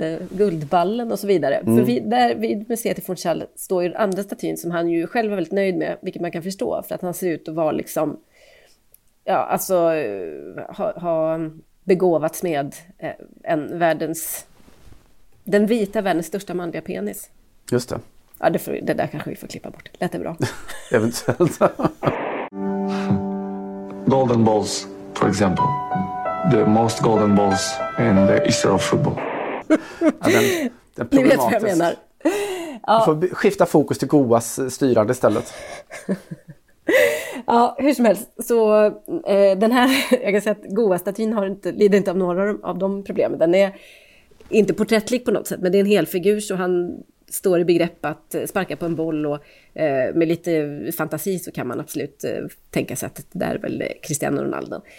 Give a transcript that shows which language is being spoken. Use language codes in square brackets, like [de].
[sv] Guldballen och så vidare. Mm. För vid museet i Funchal står ju den andra statyn som han ju själv var väldigt nöjd med, vilket man kan förstå, för att han ser ut att vara liksom, ja, alltså ha begåvats med en världens Den vita vänens största manliga penis. Just det. Ja, det där kanske vi får klippa bort. Lät det bra. Eventuellt. [en] Golden balls, for example. The most golden balls in the history of football. [sv] Ja, den ni vet vad jag menar. Ja. Vi får skifta fokus till Goas styrande istället. Ja, hur som helst. Så den här, jag kan säga att Goa-statyn lider inte av några av de problemen. Den är inte porträttlig på något sätt, men det är en hel figur, så han står i begrepp att sparka på en boll, och med lite fantasi så kan man absolut tänka sig att det där är väl Cristiano Ronaldo.